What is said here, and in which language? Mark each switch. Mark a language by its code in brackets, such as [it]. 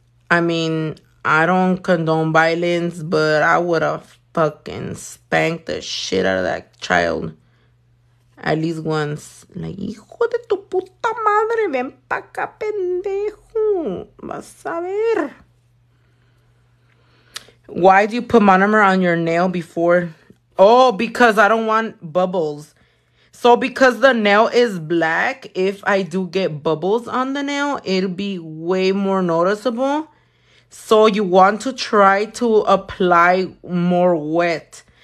[en] I mean, I don't condone violence, but I would have fucking spanked the shit out of that child. At least once. [es] Like, hijo de tu puta madre, ven pa' acá, pendejo. Vas a ver. [en] Why do you put monomer on your nail before? Oh, because I don't want bubbles. So because the nail is black, if I do get bubbles on the nail, it'll be way more noticeable. So you want to try to apply more wet.